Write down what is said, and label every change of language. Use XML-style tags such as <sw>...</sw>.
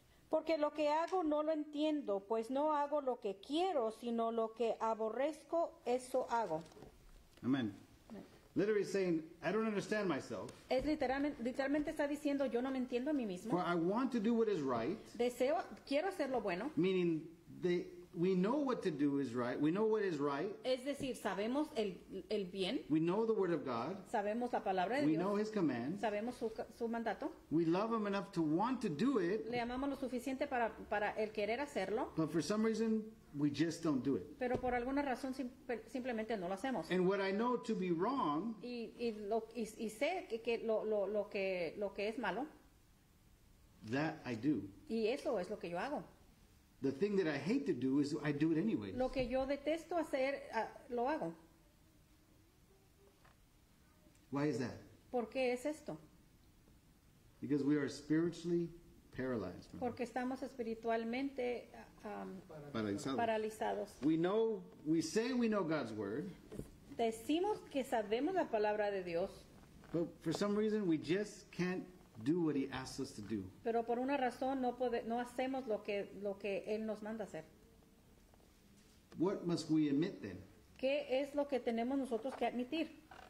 <es>Porque lo que hago no lo entiendo, pues no hago lo que quiero, sino lo que aborrezco, eso hago.</es> <en>Amen. Literally saying, I don't understand myself.</en> <es>Es literalmente está diciendo, yo no me entiendo a mí mismo.</es> <en>For I want to do what is right.</en> <es>Deseo, quiero hacer lo bueno.</es> <en>Meaning, we know what to do is right. We know what is right.</en> <es>Es decir, sabemos el bien.</es> <en>We know the word of God.</en> <es>Sabemos la palabra de Dios.</es> <en>know his command.</en> <es>Sabemos su mandato.</es> <en>We love him enough to want to do it.</en> <es>Le amamos lo suficiente para el querer hacerlo.</es> <en>But for some reason, we just don't do it.</en> <es>Pero por alguna razón simplemente no lo hacemos.</es> <en>And what I know to be wrong.</en> <es>Y sé que lo que es malo.</es> <en>That I do.</en> <es>Y eso es lo que yo hago.</es> <en>The thing that I hate to do is I do it anyways.</en> <es>Lo que yo detesto hacer, lo hago.</es> <en>Why is that?</en> <es>¿Por qué es esto?</es> <en>Because we are spiritually paralyzed.</en> <es>Porque estamos espiritualmente paralizados.</es> <en>We know, we say we know God's word.</en> <es>Decimos que sabemos la palabra de Dios.</es> <en>But for some reason we just can't do what he asks us to do.</en> <es>Pero por una razón no hacemos lo que él nos manda hacer.</es> <en>What must we admit then?</en> <es>¿Qué es lo que tenemos nosotros que admitir?</es>